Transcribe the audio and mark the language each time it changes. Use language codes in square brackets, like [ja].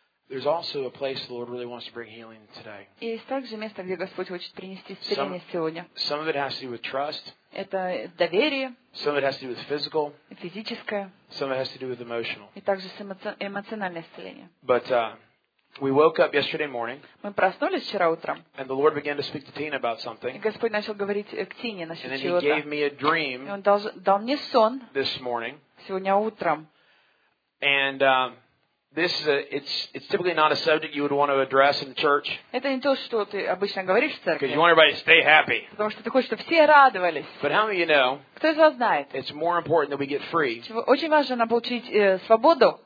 [en] There's also a place the Lord really wants to bring healing today. [ru] Есть также место, где Господь хочет принести исцеление сегодня. [en] Some of it has to do with trust. [ru] Это доверие. [en] Some of it has to do with physical. [ru] Физическое. [en] Some of it has to do with emotional. [ru] И также с эмоциональное исцеление. [en] But we woke up yesterday morning. [ru] Мы проснулись вчера утром. [en] And the Lord began to speak to Tina about something. [ru] И Господь начал говорить к Тине насчет чего-то. [en] And then He gave me a dream. [ru] И Он дал мне сон. [en] This morning. [ru] Сегодня утром. [en] And it's typically not a subject you would want to address in the church. [ru] Это не то, что ты обычно говоришь в церкви. [en] Because you want everybody to stay happy. [ru] Потому что ты хочешь, чтобы все радовались. [en] But how many of you know? [ru] Кто из вас знает? [en] It's more important that we get free. [ru] Очень важно нам получить свободу.